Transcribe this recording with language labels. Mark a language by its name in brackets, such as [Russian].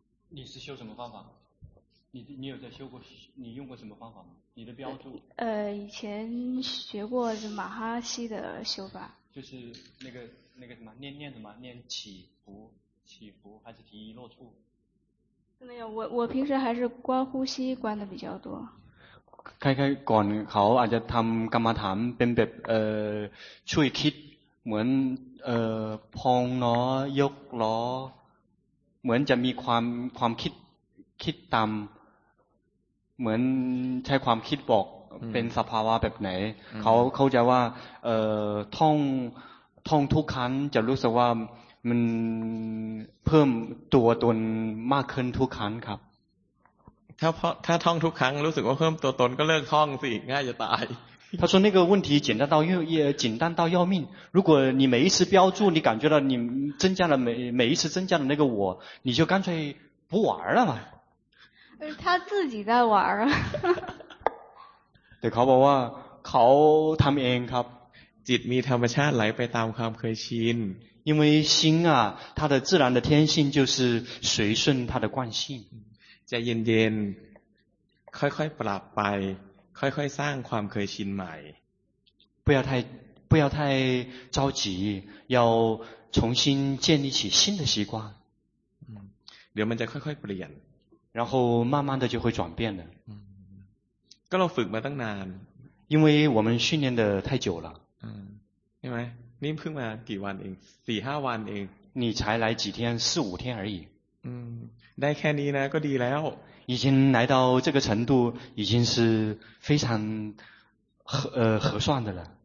[Chinese] 你是修什么方法你有在修过你用过什么方法吗你的标注以前学过马哈希的修法就是那个什么念什么念起伏还是停一落处没有我平时还是观呼吸观的比较多开开 [Thai] ก่อนเขาอาจจะทำกรรมฐานเป็นแบบช่วยคิดเหมือนพองเนาะยกล้อเหมือนจะมีความคิดตามเหมือนใช้ความคิดบอกเป็นสภาวะแบบไหนเขาจะว่าท่องทุกครั้งจะรู้สึกว่ามันเพิ่มตัวตนมากขึ้นทุกครั้งครับ ถ้าท่องทุกครั้งรู้สึกว่าเพิ่มตัวตนก็เลิกท่องสิง่ายจะตาย [Chinese] 他说那个问题简单到要命如果你每一次标注你感觉到你增加了每一次增加了那个我你就干脆不玩了嘛他自己在玩啊 [Thai] แต่เขาบอกว่าเขาทำเองครับ จิตมีธรรมชาติไหลไปตามความเคยชิน [Chinese] 因为心啊它的自然的天性就是随顺它的惯性 [Thai] ใจเย็นๆค่อยๆปรับไปค่อยๆสร้างความเคยชินใหม่ [Chinese] 不要太着急要重新建立起新的习惯 [Thai] เดี๋ยวมันจะค่อยๆเปลี่ยน [Chinese] 然后慢慢的就会转变了 [Thai] ก็เราฝึกมาตั้งนาน [Chinese] 因为我们训练的太久了 [Thai] ใช่ไหมนี่เพิ่งมากี่วันเอง4-5 วันเอง [Chinese] 你才来几天4-5 天而已 [Thai] ได้แค่นี้นะก็ดีแล้ว [Chinese] 已经来到这个程度已经是非常合算的了